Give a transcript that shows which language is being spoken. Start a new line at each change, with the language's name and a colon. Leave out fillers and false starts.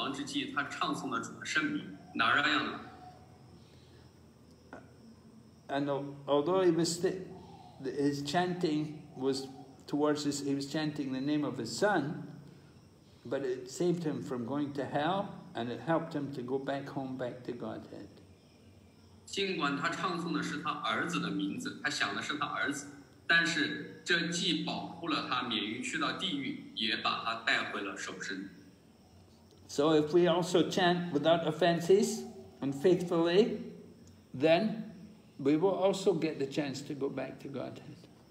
Chinese: 因为阿加米勒在死亡之际，他唱诵了主的圣名，哪样呢？
English: And although he was his chanting was towards his, he was chanting the name of his son, but it saved him from going to hell, and it helped him to go back home, back to Godhead.
Chinese: 尽管他唱诵的是他儿子的名字，他想的是他儿子，但是这既保护了他免于去到地狱，也把他带回了守身。
English: So if we also chant without offenses and faithfully, then we will also get the chance to go back to Godhead.